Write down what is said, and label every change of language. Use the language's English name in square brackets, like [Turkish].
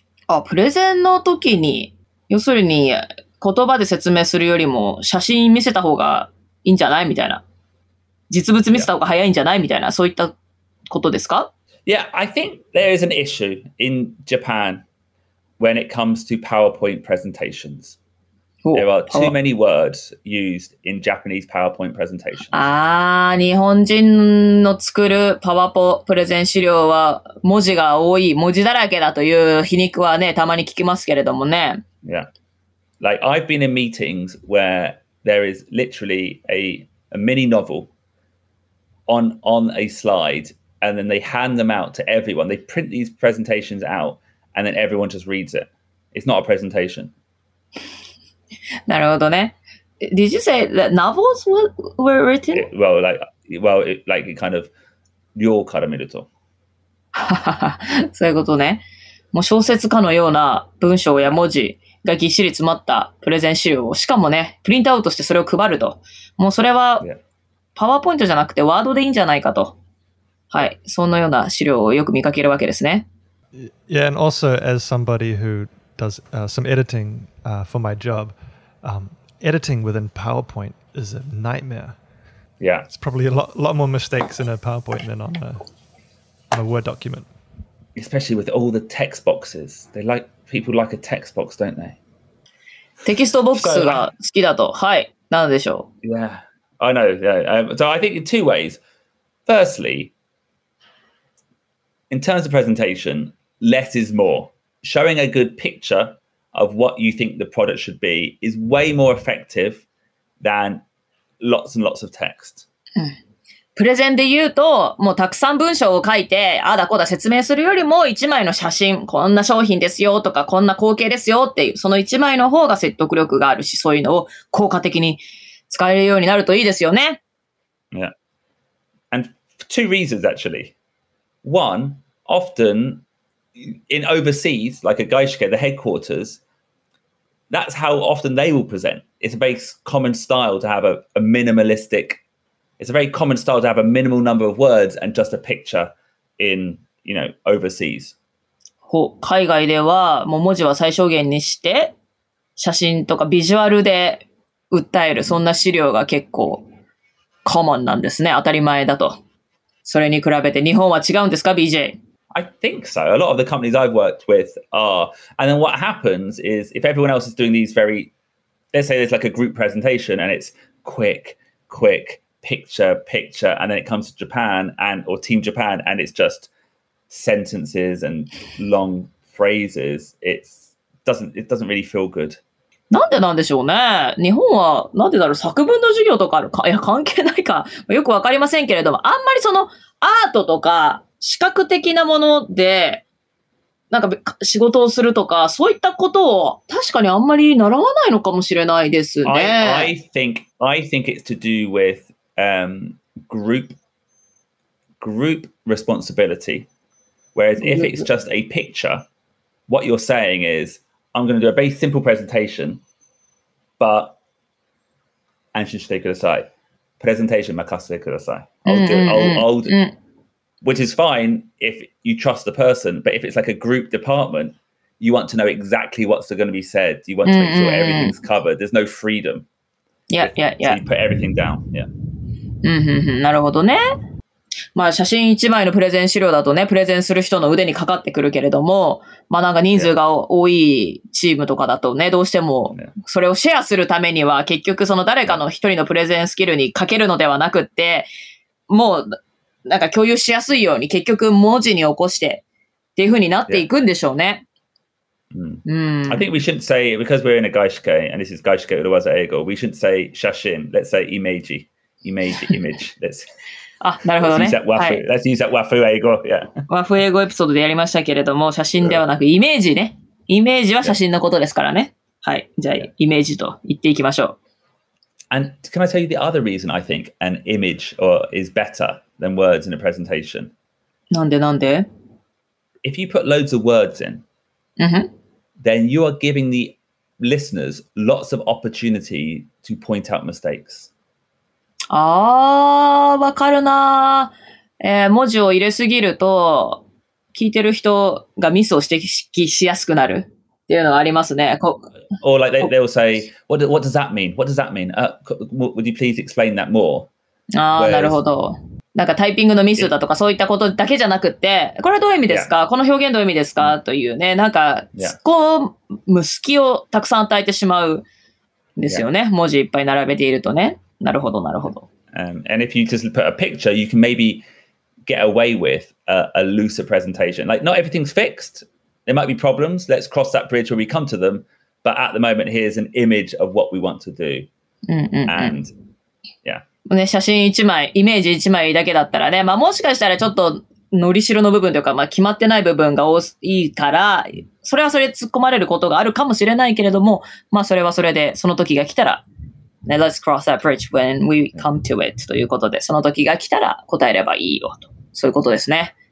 [Japanese] あ、プレゼンの時に、要するに言葉で説明するよりも写真見せた方がいいんじゃないみたいな。実物見せた方が早いんじゃないみたいな、そういったことですか？ [English] Yeah, I think there is an issue in Japan when it comes to PowerPoint presentations. There are too many words used in Japanese PowerPoint presentations. [Japanese] ああ、日本人の作るパワポプレゼン資料は文字が多い、文字だらけだという皮肉はね、たまに聞きますけれどもね。 [English] Yeah. Like, I've been in meetings where there is literally a mini novelOn a slide, and then they hand them out to everyone. They print these presentations out, and then everyone just reads it. It's not a presentation. [Japanese] なるほどね。 [English] Did you say that novels were written? Well, it kind of your [Japanese] から見ると。そういうことね。もう小説家のような文章や文字がぎっしり詰まったプレゼン資料を、しかもね、プリントアウトしてそれを配ると。もうそれは、パワーポイントじゃなくてワードでいいんじゃないかと。はい。そのような資料をよく見かけるわけですね。 [English] Yeah, and also as somebody who does some editing for my job, editing within PowerPoint is a nightmare. Yeah. It's probably a lot more mistakes in a PowerPoint than on a Word document. Especially with all the text boxes. People like a text box, don't they? [Japanese] テキストボックスが好きだと。はい。なんでしょう。 [English] Yeah. I know. Yeah. So I think in two ways. Firstly, in terms of presentation, less is more. Showing a good picture, of what you think the product should be is way more effective than lots and lots of text. [Japanese] プレゼンで言うと、もうたくさん文章を書いて、あだこだ説明するよりも、一枚の写真、こんな商品ですよとか、こんな光景ですよっていう、その一枚の方が説得力があるし、そういうのを効果的に使えるようになるといいですよね。 [English] Yeah. And for two reasons, actually. One, often, in overseas, like a gaishike, the headquarters, that's how often they will present. It's a very common style to have a minimalisticIt's a very common style to have a minimal number of words and just a picture in, you know, overseas. [Japanese] 海外ではもう文字は最小限にして写真とかビジュアルで訴えるそんな資料が結構 common なんですね。当たり前だと。それに比べて日本は違うんですか、BJ? [English] I think so. A lot of the companies I've worked with are. And then what happens is if everyone else is doing these very, let's say there's like a group presentation and it's quick, quick,picture, picture, and then it comes to Japan and or Team Japan, and it's just sentences and long phrases. It doesn't really feel good. [Japanese] なんでなんでしょうね。日本はなんでだろう。作文の授業とかあるか、いや関係ないか、よくわかりませんけれども、あんまりそのアートとか視覚的なものでなんか仕事をするとかそういったことを確かにあんまり習わないのかもしれないですね。 [English] I think it's to do withgroup responsibility. Whereas if it's just a picture, what you're saying is, I'm going to do a very simple presentation, but [Japanese] anshinshite kudasai. [English] Presentation [Japanese] makasete kudasai. [English] Which is fine if you trust the person, but if it's like a group department, you want to know exactly what's going to be said. You want to make sure everything's covered. There's no freedom. Yeah. So you put everything down. Yeah. [Japanese] うんうんうん、なるほどね。まあ写真一枚のプレゼン資料だとね、プレゼンする人の腕にかかってくるけれども、まあなんか人数が多いチームとかだとね、どうしてもそれをシェアするためには結局その誰かの一人のプレゼンスキルにかけるのではなくって、もうなんか共有しやすいように結局文字に起こしてっていう風になっていくんでしょうね。 [English] I think we shouldn't say, because we're in a gaishike, and this is gaishike uruwaza eigo, we shouldn't say 写真, let's say imageimage. Let's, [Japanese] あ、なるほどね。 [English] Let's use that wafu ego. [Japanese] Wafu ego エピソードでやりましたけれども、写真ではなくイメージね。イメージは写真のことですからね。はい。じゃあ、イメージと言っていきましょう。 [English] And can I tell you the other reason I think an image is better than words in a presentation? [Japanese] なんでなんで? [English] If you put loads of words in,、 mm-hmm. then you are giving the listeners lots of opportunity to point out mistakes. [Japanese] ああ、わかるな。文字を入れすぎると、聞いてる人がミスを指摘しやすくなるっていうのはありますね。 [English] Or like they will say, what does that mean? What does that mean?、Would you please explain that more? [Japanese] ああ、なるほど。なんかタイピングのミスだとかそういったことだけじゃなくて、これはどういう意味ですか、 [English] yeah. [Japanese] この表現どういう意味ですか、mm. というね、なんか突っ込む隙をたくさん与えてしまうんですよね。 [English] Yeah. [Japanese] 文字いっぱい並べているとね。なるほど、なるほど。 [English] And if you just put a picture, you can maybe get away with a looser presentation. Like, not everything's fixed. There might be problems. Let's cross that bridge when we come to them. But at the moment, here's an image of what we want to do. And, yeah. [Japanese] ね、写真一枚、イメージ一枚だけだったらね、まあ、もしかしたらちょっとのりしろの部分というか、まあ、決まってない部分が多いから、それはそれ突っ込まれることがあるかもしれないけれども、まあ、それはそれで、その時が来たら、 [English] Now、let's cross that bridge when we come to it [Japanese] ということで、その時が来たら答えればいいよと、そういうことですね。